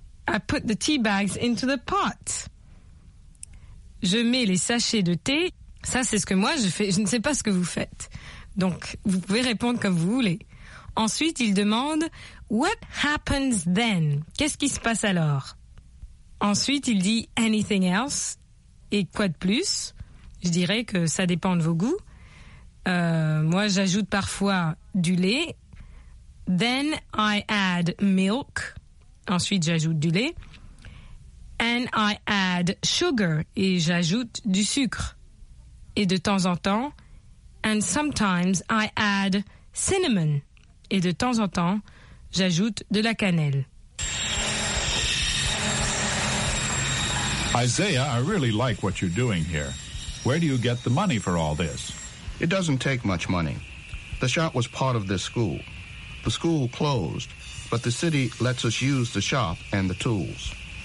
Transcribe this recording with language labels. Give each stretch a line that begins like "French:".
English: I put the tea bags into the pot.
French: Je mets les sachets de thé. Ça, c'est ce que moi, je fais. Je ne sais pas ce que vous faites. Donc, vous pouvez répondre comme vous voulez. Ensuite, il demande,
English: what happens then?
French: Qu'est-ce qui se passe alors? Ensuite, il dit «
English: anything else
French: ». Et quoi de plus? Je dirais que ça dépend de vos goûts. Moi, j'ajoute parfois du lait. «
English: Then I add milk ».
French: Ensuite, j'ajoute du lait. «
English: And I add sugar ».
French: Et j'ajoute du sucre. Et de temps en temps, «
English: And sometimes I add cinnamon ».
French: Et de temps en temps, j'ajoute de la cannelle.
English: Isaiah, I really like what you're doing here. Where do you get the money for all this? It doesn't take much money. The shop was part of this school. The school closed, but the city lets us use the shop and the tools.